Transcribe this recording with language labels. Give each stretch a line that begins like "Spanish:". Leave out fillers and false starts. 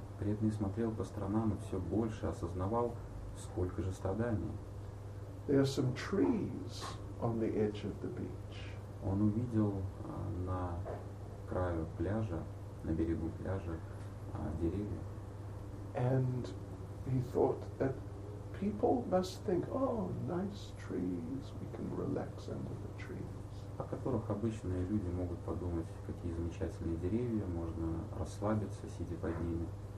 Russian: Преданный смотрел по сторонам и все больше осознавал, сколько же страданий.
English: There are some trees on the edge of the beach.
Russian: Он увидел на краю пляжа, на берегу пляжа, деревья.
English: And he thought that people must think, oh, nice trees, we can relax under the trees.
Russian: О которых обычные люди могут подумать, какие замечательные деревья, можно расслабиться, сидя под ними.